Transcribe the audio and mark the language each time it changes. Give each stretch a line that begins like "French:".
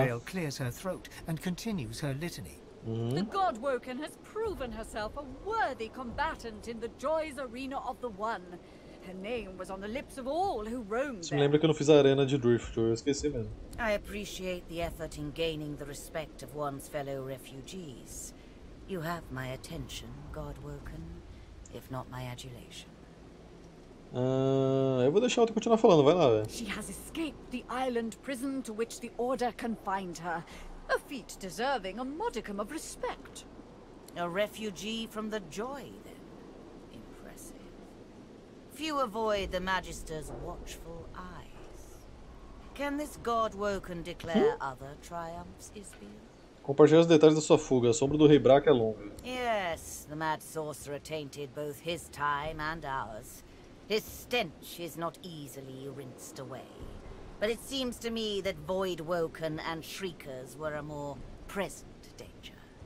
English: Isbael clears her throat and continues her litany. The Godwoken has proven herself a worthy combatant in the joys arena of the One. Her name was on the lips of all who roamed there.
Portuguese: Você lembra que eu não fiz a arena de Drift, eu esqueci mesmo.
English: I appreciate the effort in gaining the respect of one's fellow refugees. You have my attention, Godwoken, if not my adulation.
Portuguese: Eu vou deixar ela continuar falando, vai lá, velho.
English: She has escaped the island prison to which the Order confined her. A feat deserving a modicum of respect. A refugee from the joy, then. Impressive. Few avoid the Magister's watchful eyes. Can this Godwoken declare other triumphs, Isbael?
Portuguese: Compartilhe os detalhes da sua fuga. A sombra do Rei Brak é longa.
English: Yes, the mad sorcerer tainted both his time and ours. His stench is not easily rinsed away. But it seems to me that Voidwoken and Shriekers were a more present danger.